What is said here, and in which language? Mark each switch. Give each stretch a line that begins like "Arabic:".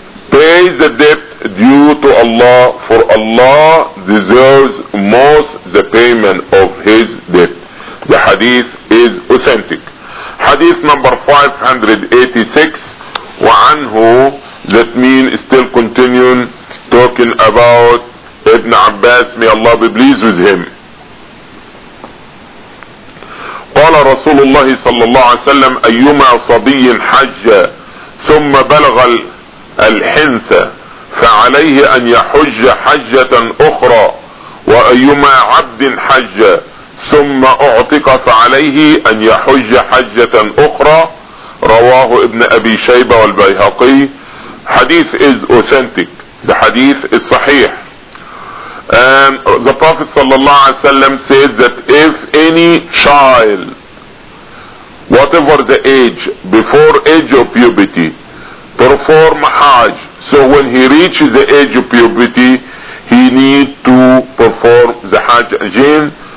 English: Pay the debt due to Allah, for Allah deserves most the payment of his debt. The hadith is authentic. Hadith number 586,
Arabic: وعنه,
English: that means still continuing talking about Ibn Abbas, may Allah be pleased with him.
Arabic: قال رسول الله صلى الله عليه وسلم أيما صبي حج ثم بلغ الحنث فعليه أن يحج حجة أخرى وأيما عبد حج ثم أعتق فعليه أن يحج حجة أخرى رواه ابن أبي شيبة والبيهقي.
English: Hadith is authentic. The hadith is sahih. The Prophet sallallahu alaihi wasallam said that if any child, whatever the age, before age of puberty, perform Hajj, so when he reaches the age of puberty, he need to perform the Hajj again.